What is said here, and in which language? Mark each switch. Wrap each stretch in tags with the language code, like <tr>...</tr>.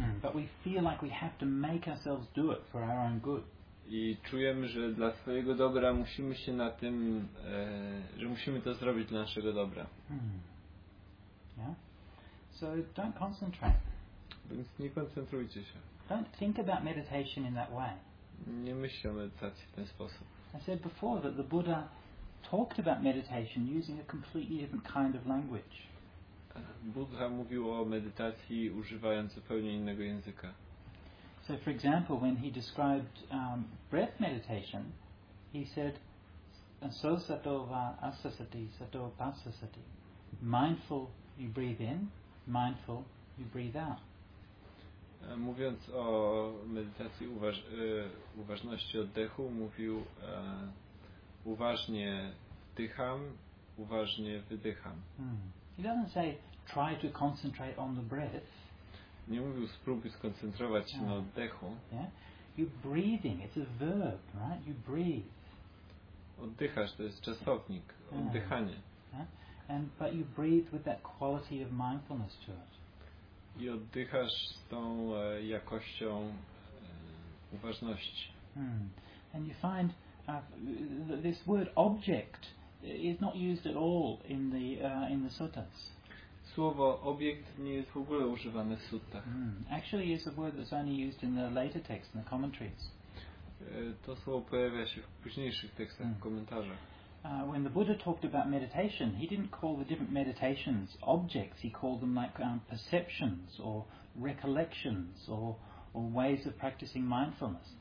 <en>But we feel like we have to make ourselves do it for our own good.</en> <pl>I czujemy, że dla swojego dobra musimy się na tym, że musimy to zrobić dla naszego dobra.</pl> <en>So don't concentrate.</en> <pl>Więc nie koncentrujcie się.</pl> <en>Don't think about meditation in that way.</en> <pl>Nie myślcie o medytacji w ten sposób.</pl> <en>I said before that the Buddha talked about meditation using a completely different kind of language.</en> <pl>Buddha mówił o medytacji używając zupełnie innego języka.</pl> <en>So for example, when he described breath meditation, he said</en> <pi>so sato va asasati sato passasati.</pi> <en>Mindful you breathe in, mindful you breathe out.</en> <pl>Mówiąc o medytacji uważności oddechu, mówił uważnie wdycham, uważnie wydycham.</pl> <en>He doesn't say try to concentrate on the breath.</en> <pl>Nie mówił spróbuj skoncentrować się na oddechu.</pl> <en>Yeah? You're breathing, it's a verb, right? You breathe.</en> <pl>Oddychasz, to jest czasownik, oddychanie.</pl> <en>Yeah? And but you breathe with that quality of mindfulness to it.</en> <pl>I oddychasz z tą jakością uważności.</pl> <en>And you find this word object is not used at all in the suttas.</en> <pl>Słowo obiekt nie jest w ogóle używane w suttach.</pl> <en>Actually it's a word that's only used in the later texts in the commentaries.</en> <pl>To słowo pojawia się w późniejszych tekstach, w komentarzach.</pl> <en>When the Buddha talked about meditation, he didn't call the different meditations objects. He called them like perceptions or recollections or ways of practicing mindfulness.</en>